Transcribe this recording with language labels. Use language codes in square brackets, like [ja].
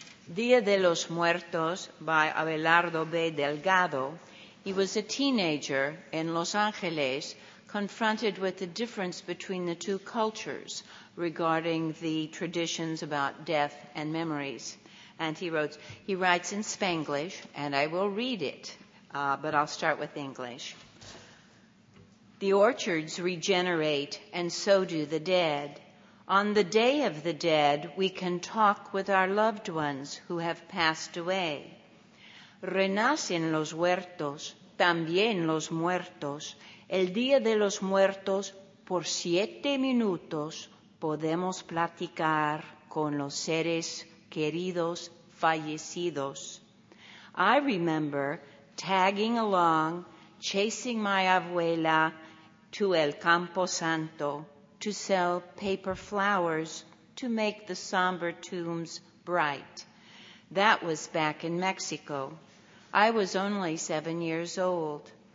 [en] Día de los Muertos by Abelardo B. Delgado. He was a teenager in Los Angeles confronted with the difference between the two cultures regarding the traditions about death and memories. And he writes in Spanglish, and I will read it, but I'll start with English. The orchards regenerate, and so do the dead. On the day of the dead, we can talk with our loved ones who have passed away. [es] Renacen los huertos, también los muertos. El día de los muertos, por 7 minutos, podemos platicar con los seres queridos fallecidos. [en] I remember tagging along, chasing my abuela to El Campo Santo to sell paper flowers to make the somber tombs bright. That was back in Mexico. I was only 7 years old.